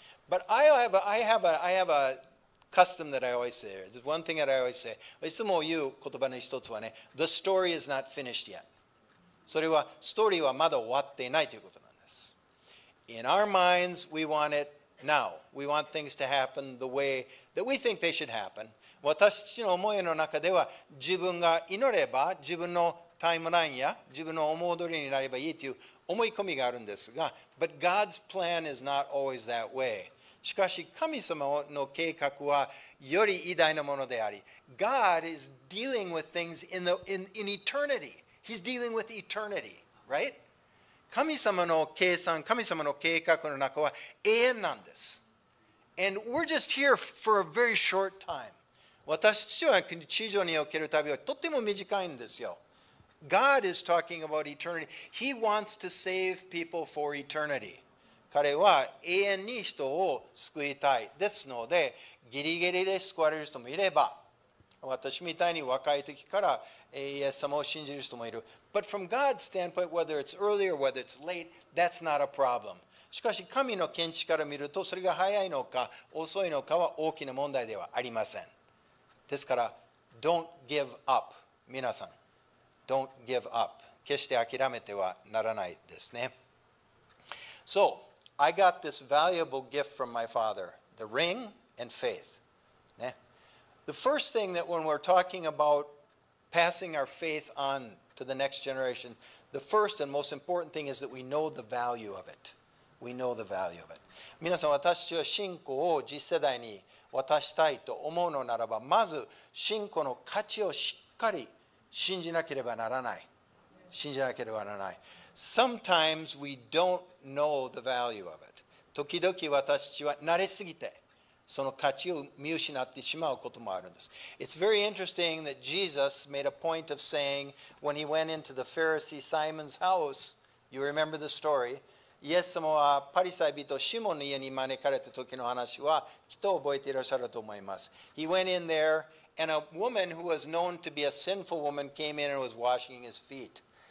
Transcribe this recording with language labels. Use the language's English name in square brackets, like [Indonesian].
[English] But I have a custom that I always say. There's one thing that I always say. [Japanese] いつも言う言葉の一つはね、 [English] The story is not finished yet. [Japanese] それは、ストーリーはまだ終わっていないということなんです。 [English] In our minds, we want it now. We want things to happen the way that we think they should happen. [Japanese] 私たちの思いの中では、自分が祈れば、自分のタイムラインや、自分の思う通りになればいいという、思い込みがあるんですが、 [English] But God's plan is not always that way. [Japanese] しかし神様の計画はより偉大なものであり、 [English] God is dealing with things in eternity. He's dealing with eternity, right? [Japanese] 神様の計算、神様の計画の中は永遠なんです。 [English] And we're just here for a very short time. [Japanese] 私たちは地上における旅はとても短いんですよ。 [English] God is talking about eternity. He wants to save people for eternity. [Japanese] 彼は永遠に人を救いたい。ですので、ギリギリで救われる人もいれば、私みたいに若い時からイエス様を信じる人もいる。 [English] But from God's standpoint, whether it's early or whether it's late, that's not a problem. [Japanese] しかし神の見地から見ると、それが早いのか遅いのかは大きな問題ではありません。ですから、 [English] don't give up, [Japanese] 皆さん。 [English] Don't give up. [Japanese] 決して諦めてはならないですね。 [English] So, I got this valuable gift from my father, the ring and faith.、ね、the first thing that when we're talking about passing our faith on to the next generation, the first and most important thing is that we know the value of it. We know the value of it. [Japanese] 皆さん、私は信仰を次世代に渡したいと思うのならば、まず信仰の価値をしっかり信じなければならない。信じなければならない。 [English] Sometimes we don't know the value of it. [Japanese] 時々私たちは慣れすぎて、その価値を見失ってしまうこともあるんです。 [English] It's very interesting that Jesus made a point of saying when he went into the Pharisee Simon's house, you remember the story, [Japanese] イエス様はパリサイ人シモンの家に招かれた時の話はきっと覚えていらっしゃると思います。 [English] He went in there, And a woman who was known to be a sinful woman came in and was washing his feet.